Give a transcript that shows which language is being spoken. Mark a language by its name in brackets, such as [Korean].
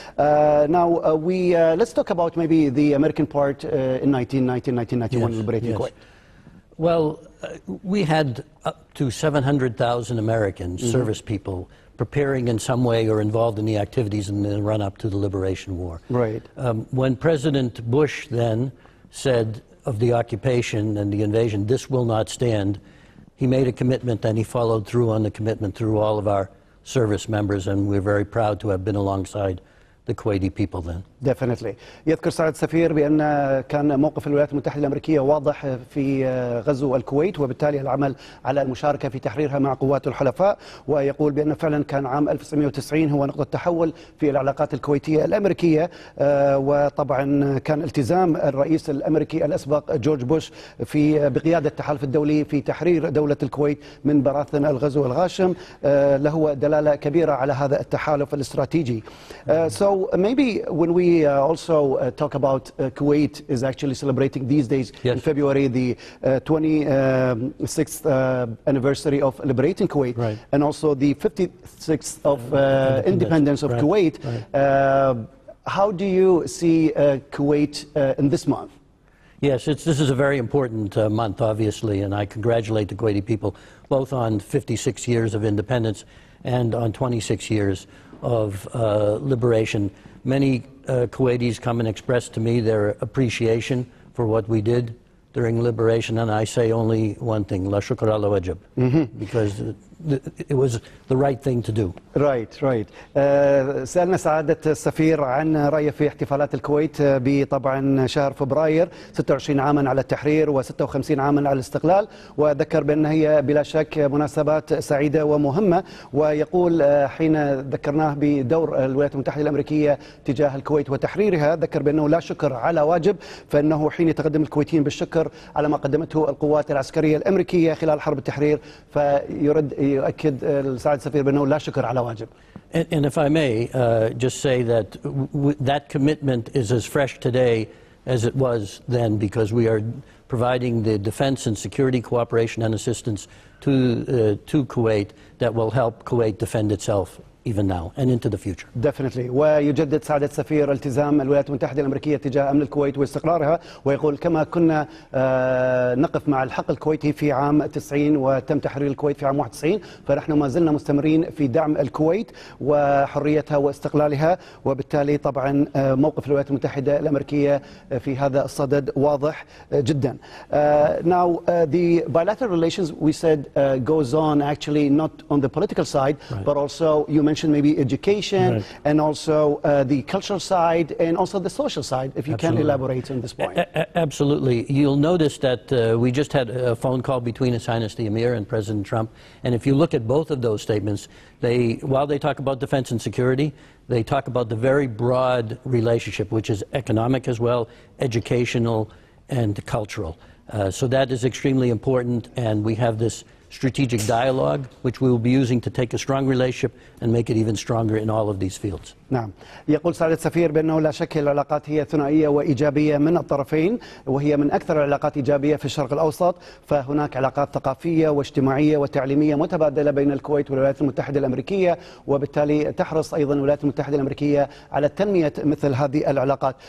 [English] Now we let's talk about maybe the American part. In 1990, 1991, yes, liberating yes. Kuwait. Well, we had up to 700,000 American service people preparing in some way or involved in the activities in the run-up to the liberation war. Right. When President Bush then said of the occupation and the invasion, "This will not stand," he made a commitment and he followed through on the commitment through all of our service members, and we're very proud to have been alongside. the Kuwaiti people then. Definitely. [Arabic] يذكر سعادة السفير بأن كان موقف الولايات المتحدة الأمريكية واضح في غزو الكويت وبالتالي العمل على المشاركة في تحريرها مع قوات الحلفاء ويقول بأن فعلا كان عام 1990 هو نقطة تحول في العلاقات الكويتية الأمريكية وطبعا كان التزام الرئيس الأمريكي الأسبق جورج بوش في بقيادة التحالف الدولي في تحرير دولة الكويت من براثن الغزو الغاشم له دلالة كبيرة على هذا التحالف الاستراتيجي. [English] So maybe when we also talk about Kuwait is actually celebrating these days yes. in February the 26th anniversary of liberating Kuwait right. and also the 56th of independence of right. Kuwait. Right. How do you see Kuwait in this month? Yes, this is a very important month, obviously, and I congratulate the Kuwaiti people both on 56 years of independence and on 26 years of liberation. Many Kuwaitis come and express to me their appreciation for what we did during liberation, and I say only one thing, [Arabic] la shukra la wajib, [English] because it was the right thing to do. Right, right. [Arabic] سألنا سعادة السفير عن رأيه في احتفالات الكويت بطبعا شهر فبراير 26 عاما على التحرير و56 عاما على الاستقلال وذكر بأن هي بلا شك مناسبات سعيدة ومهمة ويقول حين ذكرناه بدور الولايات المتحدة الأمريكية تجاه الكويت وتحريرها ذكر بأنه لا شكر على واجب فإنه حين يتقدم الكويتيين بالشكر على ما قدمته القوات العسكرية الأمريكية خلال حرب التحرير فيرد يؤكد السعادة السفير بأنه لا شكر على واجب. [English] And if I may just say that that commitment is as fresh today as it was then because we are providing the defense and security cooperation and assistance to Kuwait that will help Kuwait defend itself. Even now and into the future. Definitely. [Arabic] ويجدد سعادة السفير التزام الولايات المتحدة الأمريكية تجاه أمن الكويت واستقرارها ويقول كما كنا نقف مع الحق الكويتي في عام 90 وتم تحرير الكويت في عام 91 فنحن ما زلنا مستمرين في دعم الكويت وحريتها واستقلالها وبالتالي طبعا موقف الولايات المتحدة الأمريكية في هذا الصدد واضح جدا. [English] Now the bilateral relations we said goes on actually not on the political side right. but also you mentioned maybe education right. and also the cultural side and also the social side, if you Absolutely. Can elaborate on this point. Absolutely. You'll notice that we just had a phone call between His Highness the Emir and President Trump. And if you look at both of those statements, they, while they talk about defense and security, they talk about the very broad relationship, which is economic as well, educational and cultural. So that is extremely important. And we have this strategic dialogue, which we will be using to take a strong relationship and make it even stronger in all of these fields. [Arabic] نعم يقول سعادة السفير بأنه لا شك العلاقات هي ثنائية وإيجابية من الطرفين وهي من أكثر العلاقات إيجابية في الشرق الأوسط فهناك علاقات ثقافية واجتماعية وتعليمية متبادلة بين الكويت والولايات المتحدة الأمريكية وبالتالي تحرص أيضا الولايات المتحدة الأمريكية على تنمية مثل هذه العلاقات.